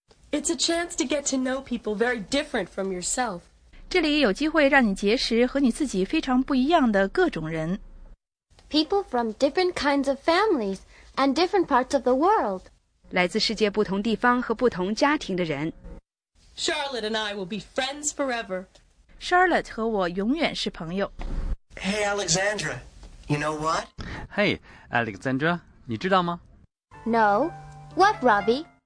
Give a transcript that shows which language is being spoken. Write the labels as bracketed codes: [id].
[en] It's a chance to get to know people very different from yourself. [zh] 这里有机会让你结识和你自己非常不一样的各种人。 [en] People from different kinds of families and different parts of the world. [zh] 来自世界不同地方和不同家庭的人。 [en] Charlotte and I will be friends forever. [zh] Charlotte 和我永远是朋友。 [en] Hey, Alexandra. You know what? [zh] Hey, Alexandra, 你知道吗？ [en] No. What, Robbie?